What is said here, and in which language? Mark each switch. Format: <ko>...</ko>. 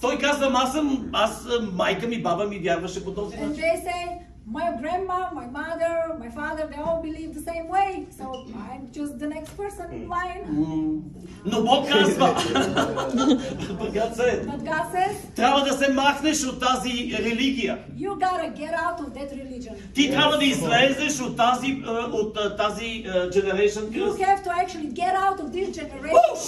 <bg>Той казва, аз майка ми, баба ми вярваше по този начин.</bg> <en>And they say, my grandma, my mother, my father, they all believe the same way. So I'm just the next person in line.</en> <bg>Но Бог казва,</bg> <en>But God says,</en> <bg>трябва да се махнеш от тази религия.</bg> <en>You gotta get out of that religion.</en> <bg>Ти трябва да излезеш от тази generation.</bg> <en>You have to actually get out of this generation.</en>